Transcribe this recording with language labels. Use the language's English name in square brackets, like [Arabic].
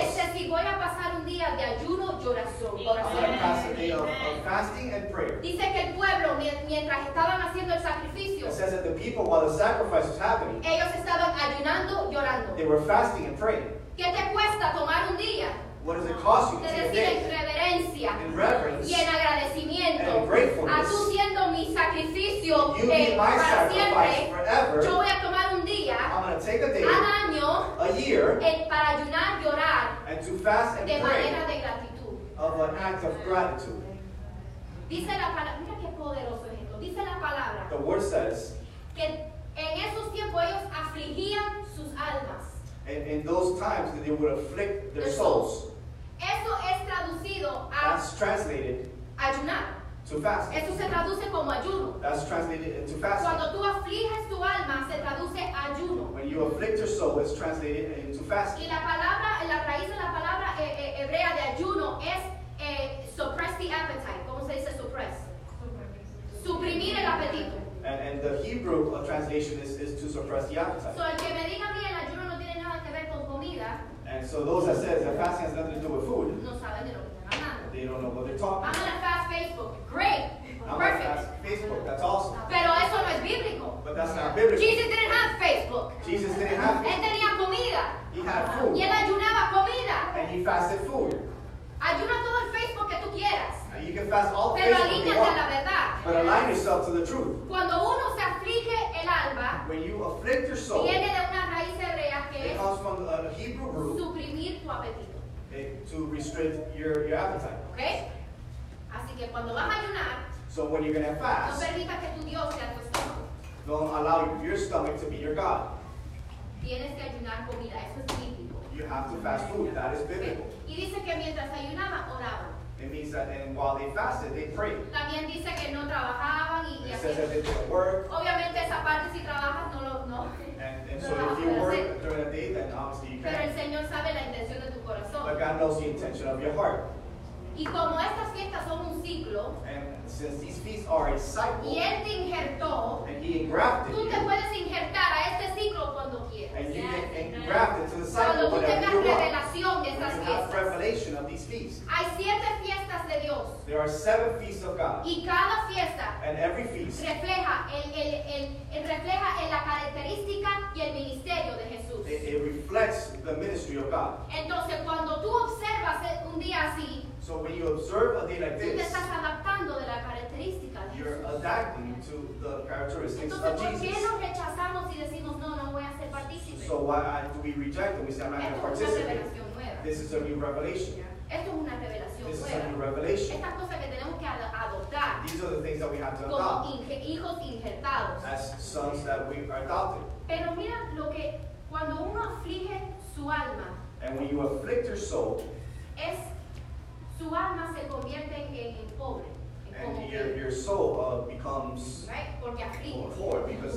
[Spanish] es si voy a pasar un día de ayuno, oración, [English] I'm going to pass a day of fasting and prayer. [Spanish] Dice que el pueblo, mientras estaban haciendo el sacrificio, [English] it says that the people, while the sacrifice was happening, [Spanish] ellos estaban ayunando, llorando. [English] They were fasting and praying. [Spanish] ¿Qué te cuesta tomar un día? [English] What does it cost you to take a day? [Spanish] En reverencia [English] in reverence [Spanish] y en agradecimiento [English] and in gratefulness. [Spanish] A tú siendo mi sacrificio, [English] you be my [Spanish] para [English] sacrifice [Spanish] siempre, [English] forever. [Spanish] Yo voy a tomar un día, [English] I'm going to take a day, [Spanish] al año, [English] a year, [Spanish] para ayunar, llorar, [English] and to fast and [Spanish] de [English] pray [Spanish] manera de gratitud. [English] Of an act of gratitude. [Spanish] Dice la palabra, mira qué poderoso es esto. Dice la palabra, [English] the word says [Spanish] que en esos tiempos ellos afligían sus almas. [English] And in those times that they would afflict their souls. [Spanish] Eso es traducido a [English] that's translated [Spanish] ayunar. [English] To fast. [Spanish] Eso se traduce como ayuno. [English] That's translated into fasting. [Spanish] Cuando tú afliges tu alma, se traduce ayuno. [English] When you afflict your soul, it's translated into fasting. [Spanish] Y la palabra, la raíz de la palabra hebrea de ayuno es [English] suppress the appetite. [Spanish] ¿Cómo se dice suppress? Suprimir el apetito. [English] And the Hebrew translation is to suppress the appetite. [Spanish] So el que me diga a mí el ayuno no tiene nada que ver con comida. [English] And so those that says that fasting has nothing to do with food. [Spanish] No saben de lo que están hablando. [English] They don't know what they're talking about. I'm gonna fast Facebook. Great. I'm perfect. Gonna fast Facebook. That's awesome. [Spanish] Pero eso no es bíblico. [English] But that's not biblical. Jesus didn't have Facebook. Jesus didn't have [Spanish] Facebook. Él tenía comida. [English] He had food. [Spanish] Y él ayunaba comida. [English] And he fasted food. [Spanish] Ayuna todo el Facebook que tú quieras. [English] Now you can fast all the [Spanish] pero [English] Facebook you want. [Spanish] La verdad. [English] But align yourself to the truth. [Spanish] Cuando uno se aflige el alma, [English] when you afflict your soul, [Spanish] viene de una raíz hebrea que [English] it comes from a Hebrew root. [Spanish] Suprimir tu apetito. [English] Okay, to restrict your appetite. [Spanish] Okay? Así que cuando vas a ayunar, [English] so when you're going to fast, [Spanish] no permita que tu Dios sea tu estómago. [English] Don't allow your stomach to be your God. [Spanish] Tienes que ayunar comida. Eso es bíblico. [English] You have to fast food. That is biblical. Okay. [Spanish] Y dice que mientras ayunaba, oraba. [English] It means that and while they fasted, they prayed. [Spanish] También dice que no trabajaban y [English] it says that they didn't work. [Spanish] Obviamente esa parte si trabajas, no lo, no. [English] And so if you work during the day, then obviously you [Spanish] can. Pero el Señor sabe la intención de tu corazón. [English] But God knows the intention of your heart. [Spanish] Y como estas fiestas son un ciclo, [English] and since these feasts are a cycle, [Spanish] y él te injertó, [English] and he engrafted [Spanish] tú te [English] you, [Spanish] puedes injertar a este ciclo cuando quieras. [English] And you can engraft it to the cycle [Spanish] cuando [English] whatever [Spanish] tengas [English] you want. [Spanish] Revelación de estas [English] when you [Spanish] fiestas, [English] have revelation of these feasts. [Spanish] Hay siete fiestas de Dios. [English] There are seven feasts of God. [Spanish] Y cada fiesta [English] and every feast [Spanish] refleja en la característica y el ministerio de Jesús. [English] It reflects the ministry of God. [Spanish] Entonces, cuando tú observas un día así, [English] so when you observe a day like this, [Spanish] tú te estás adaptando de la característica de [English] you're [Spanish] Jesús. [English] Adapting to the characteristics [Spanish] entonces, [English] of Jesus. [Spanish] ¿Por qué nos rechazamos y decimos, no, no voy a ser partícipe? [English] So why do we reject them? We say, I'm not going to participate. [Spanish] Una revelación nueva. [English] This is a new revelation. [Spanish] Yeah. Esto es una revelación [English] this [Spanish] nueva. [English] Is a new revelation. [Spanish] Estas cosas que tenemos que adoptar. [English] These are the things that we have to [Spanish] como [English] adopt. [Spanish] Hijos injertados. [English] As sons that we are adopted. [Spanish] Pero mira lo que cuando uno aflige su alma. [English] And when you afflict your soul. [Spanish] Es tu alma se convierte en pobre. En [English] and [Spanish] como [English] your soul becomes [Spanish] right? Porque aflige. [English] Poor because